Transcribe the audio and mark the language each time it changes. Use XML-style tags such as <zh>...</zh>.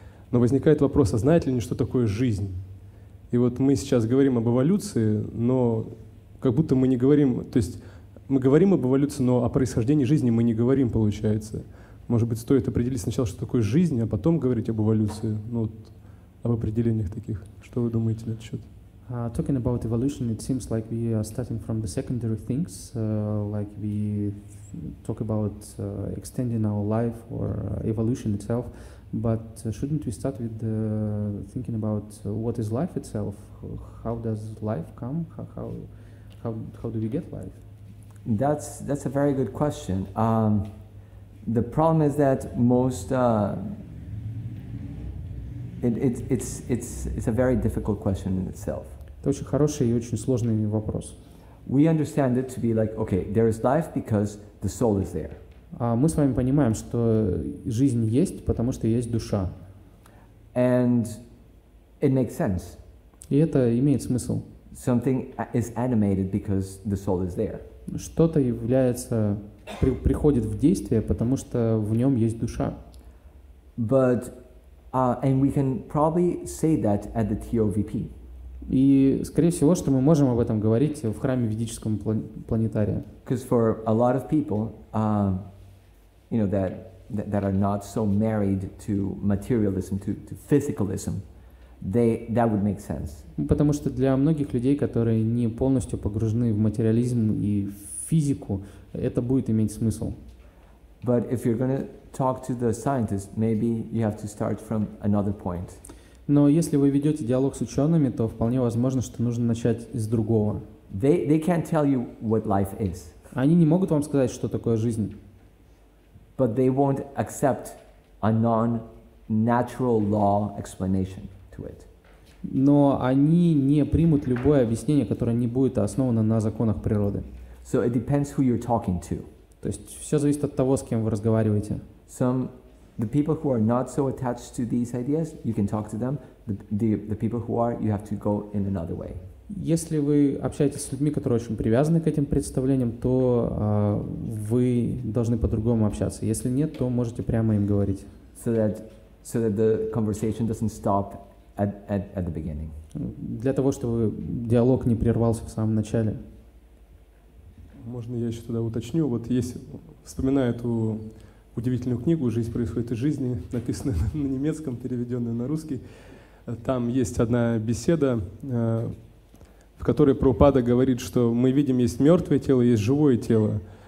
<ru>Но возникает вопрос, а знают ли они, что такое жизнь? И вот мы сейчас говорим об эволюции, но как будто мы не говорим, то есть мы говорим об эволюции, но о происхождении жизни мы не говорим, получается. Может быть, стоит определить сначала, что такое жизнь, а потом говорить об эволюции? Ну, вот, об определениях таких. Что вы думаете на этот счет?</ru> <en>Talking about evolution, it seems like we are starting from the secondary things, like we talk about extending our life or evolution itself, but shouldn't we start with thinking about what is life itself? How does life come? How do we get life? That's a very good question. The problem is that most it's a very difficult question in itself.</en> <ru>Это очень хороший и очень сложный вопрос.</ru> <en>We understand it to be like, okay, there is life because the soul is there.</en> <ru>Мы с вами понимаем, что жизнь есть, потому что есть душа.</ru> <en>And it makes sense.</en> <ru>И это имеет смысл.</ru> <en>Something is animated because the soul is there.</en> <ru>Что-то является приходит в действие, потому что в нем есть душа.</ru> <en>But and we can probably say that at the TOVP.</en> <ru>И скорее всего, что мы можем об этом говорить в храме ведического планетария.</ru> <en>Because for a lot of people, you know, that are not so married to materialism, to physicalism, that would make sense.</en> <ru>Потому что для многих людей, которые не полностью погружены в материализм и физику, это будет иметь смысл.</ru> <en>But if you're going to talk to the scientists, maybe you have to start from another point.</en> <ru>Но если вы ведете диалог с учеными, то вполне возможно, что нужно начать с другого.</ru> <en>They can't tell you what life is.</en> <ru>Они не могут вам сказать, что такое жизнь.</ru> <en>But they won't accept a non-natural law explanation to it.</en> <ru>Но они не примут любое объяснение, которое не будет основано на законах природы.</ru> <en>So it depends who you're talking to.</en> <ru>То есть все зависит от того, с кем вы разговариваете.</ru> <en>Some the people who are not so attached to these ideas, you can talk to them. The people who are, you have to go in another way.</en> <ru>Если вы общаетесь с людьми, которые очень привязаны к этим представлениям, то вы должны по-другому общаться. Если нет, то можете прямо им говорить.</ru> <en>So that the conversation doesn't stop at the beginning.</en> <ru>Для того, чтобы диалог не прервался в самом начале. Можно я еще тогда уточню? Вот если вспоминаю эту удивительную книгу «Жизнь происходит из жизни», написанную на немецком, переведенную на русский, там есть одна беседа, в которой Прабхупада говорит, что мы видим, есть мертвое тело, есть живое тело.</ru>